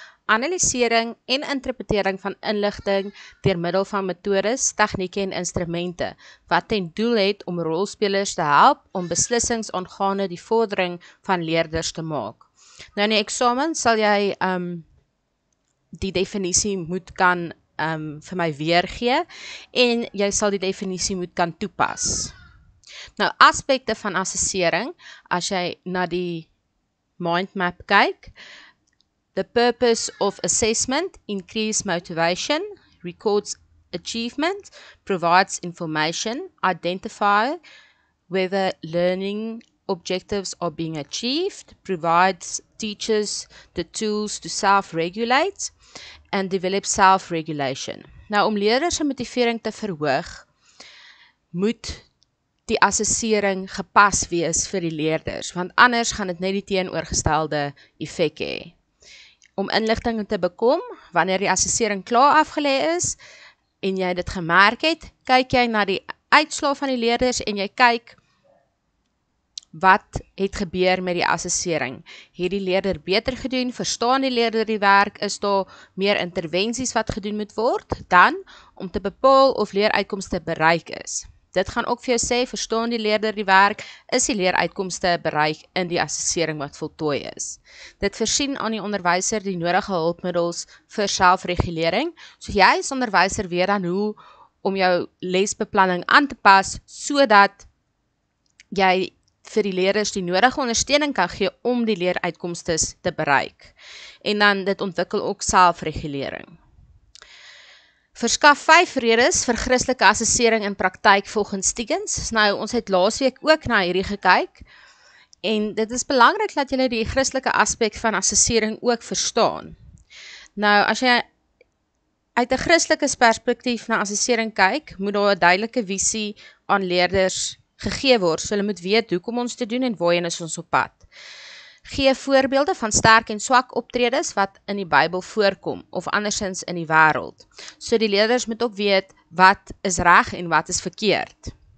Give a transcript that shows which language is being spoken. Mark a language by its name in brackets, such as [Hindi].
[Afrikaans] analisering en interpretering van inligting deur middel van metodes, tegnieke en instrumente wat ten doel het om rolspelers te help om beslissings aangaande die vordering van leerders te maak. Nou in die eksamen sal jy die definisie moet kan vir my weergee en jy sal die definisie moet kan toepas. Nou aspekte van assessering, as jy na die mind map kyk, [English] the purpose of assessment, increase motivation, records achievement, provides information, identify whether learning objectives are being achieved, provides teachers the tools to self-regulate and develop self-regulation. [Afrikaans] Nou om leerders se motivering te verhoog, moet die assessering gepas wees vir die leerders, want anders gaan dit net die teenoorgestelde effek hê. Om inligting te bekom, wanneer die assessering klaar afgelê is en jy dit gemerk het, kyk jy na die uitslae van die leerders en jy kyk wat het gebeur met die assessering. Het die leerder beter gedoen? Verstaan die leerder die werk? Is daar meer intervensies wat gedoen moet word? Dan om te bepaal of leeruitkomste bereik is. Dit gaan ook vir jou sê, verstaan die leerder die werk, is die leeruitkomste bereik in die assessering wat voltooi is. Dit versien aan die onderwyser die nodige hulpmiddels vir selfregulering, so jy as onderwyser weet dan hoe om jou lesbeplanning aan te pas, sodat jy vir die leerders die nodige ondersteuning kan gee om die leeruitkomste te bereik. En dan dit ontwikkel ook selfregulering. Verskaf 5 redes vir Christelike assessering in praktyk volgens Stiegens. Nou, ons het laasweek ook na hierdie gekyk en dit is belangrik dat jy die Christelike aspek van assessering ook verstaan. Nou, as jy uit 'n Christelike perspektief na assessering kyk, moet daar 'n duidelike visie aan leerders gegee word, so hulle moet weet hoekom ons te doen en waarheen is ons op pad. Gee voorbeelde van sterk en swak optredes wat in die Bybel voorkom of andersins in die wêreld. So die leerders moet ook weet wat is reg en wat is verkeerd.